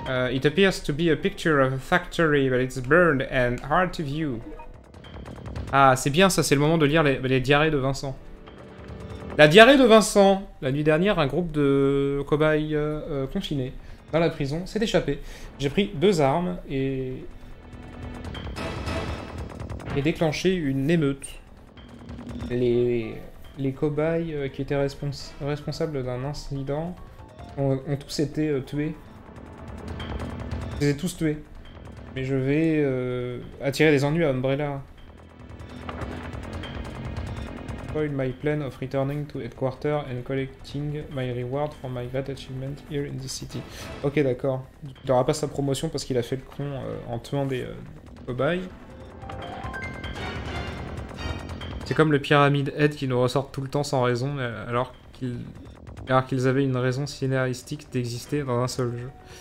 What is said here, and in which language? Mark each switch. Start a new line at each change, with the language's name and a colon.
English: It appears to be a picture of a factory, but it's burned and hard to view.
French: Ah, c'est bien ça, c'est le moment de lire les diarrhées de Vincent. La diarrhée de Vincent. La nuit dernière, un groupe de cobayes confinés dans la prison s'est échappé. J'ai pris deux armes et déclenché une émeute. Les cobayes qui étaient responsables d'un incident ont tous été tués. Je les ai tous tués. Mais je vais attirer des ennuis à Umbrella.
English: My plan of returning to headquarters and collecting my reward for my great achievement here in this city.
French: Ok, d'accord. Il n'aura pas sa promotion parce qu'il a fait le con en tuant des cobayes. C'est comme le pyramide Head qui nous ressort tout le temps sans raison, alors qu'ils avaient une raison scénaristique d'exister dans un seul jeu.